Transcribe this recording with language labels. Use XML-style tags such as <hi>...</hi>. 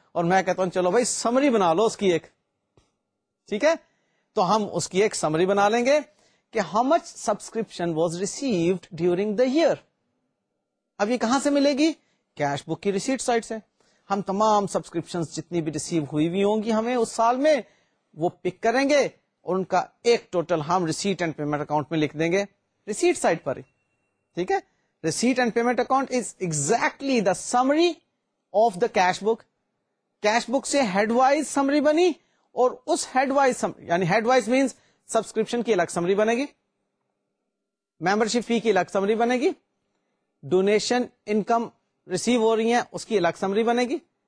<ur>اور میں کہتا ہوں چلو بھائی سمری بنا لو اس کی ایک, ٹھیک ہے, تو ہم اس کی ایک سمری بنا لیں گے کہ</ur> <en>How much subscription was received during the year.</en> <ur>اب یہ کہاں سے ملے گی, کیش بک کی ریسیٹ سائٹ سے. ہم تمام سبسکرپشنز جتنی بھی ریسیو ہوئی بھی ہوں گی ہمیں اس سال میں, وہ پک کریں گے اور ان کا ایک ٹوٹل ہم ریسیٹ اینڈ پیمنٹ اکاؤنٹ میں لکھ دیں گے ریسیٹ سائٹ پر, ٹھیک ہے.</ur> <en>Receipt and payment account is exactly the summary of the cash book.</en> <ur>Cash book سے ہیڈ وائز سمری بنی اور اس ہیڈ وائز یعنی ہیڈ وائز مینس سبسکرپشن کی الگ سمری بنے گی, ممبرشپ فی کی الگ سمری بنے گی, ڈونیشن انکم ریسیو ہو رہی ہیں اس کی الگ سمری بنے گی.</ur>